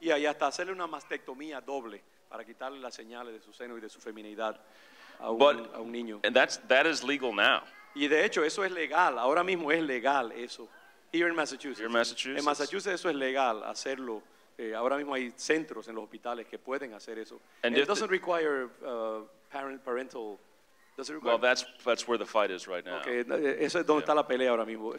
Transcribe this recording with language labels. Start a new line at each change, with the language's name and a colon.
Spanish: Yeah, y hasta hacerle una mastectomía doble para quitarle las señales de su seno y de su feminidad a un niño.
English: And that is legal now.
Spanish: Y de hecho eso es legal. Ahora mismo es legal eso.
English: Here in Massachusetts. Here in Massachusetts.
Spanish: En Massachusetts eso es legal hacerlo. Ahora mismo hay centros en los hospitales que pueden hacer eso.
English: And it doesn't require parental. Well, that's where the fight is right now.
Spanish: Okay, eso es donde está la pelea ahora mismo.